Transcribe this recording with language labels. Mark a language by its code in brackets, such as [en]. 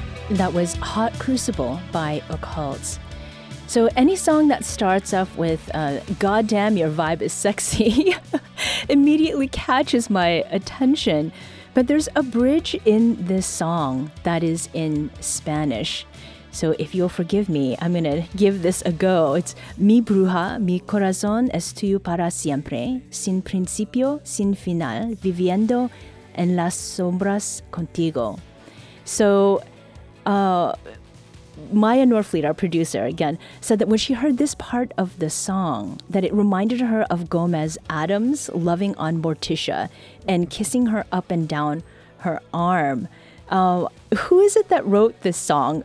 [en] That was Hot Crucible by Occults. So any song that starts off with goddamn your vibe is sexy immediately catches my attention. But there's a bridge in this song that is in Spanish. So if you'll forgive me, I'm going to give this a go. [es] It's Mi bruja, mi corazón es tuyo para siempre, sin principio, sin final, viviendo en las sombras contigo. [en] So Maya Norfleet, our producer, again, said that when she heard this part of the song, that it reminded her of Gomez Adams loving on Morticia and kissing her up and down her arm. Who is it that wrote this song?